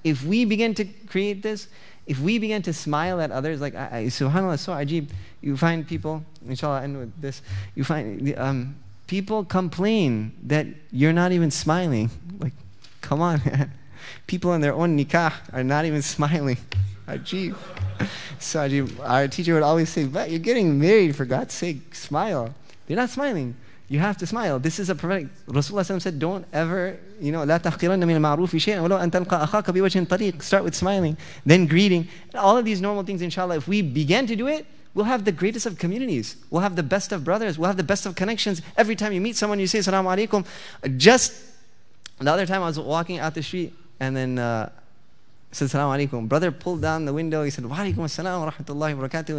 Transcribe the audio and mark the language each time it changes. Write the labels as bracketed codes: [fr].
[en] If we begin to create this, if we begin to smile at others, like subhanAllah, so ajeeb, you find people, inshallah, I'll end with this, you find people complain that you're not even smiling. Like, come on, man. People in their own nikah are not even smiling. Ajeeb. So ajeeb, our teacher would always say, but you're getting married, for God's sake, smile. They're not smiling. You have to smile. This is a prophetic. Rasulullah said, don't ever, you know, [ar] لا تحقرن من المعروف شيئا ولو أن تلقى أخاك بوجه طريق. [en] Start with smiling, then greeting. All of these normal things, inshallah, if we began to do it, we'll have the greatest of communities. We'll have the best of brothers. We'll have the best of connections. Every time you meet someone, you say, Assalamu alaikum. Just the other time I was walking out the street and then said, Assalamu alaikum. Brother pulled down the window. He said, Wa alaikum assalam wa rahmatullahi wa barakatuh.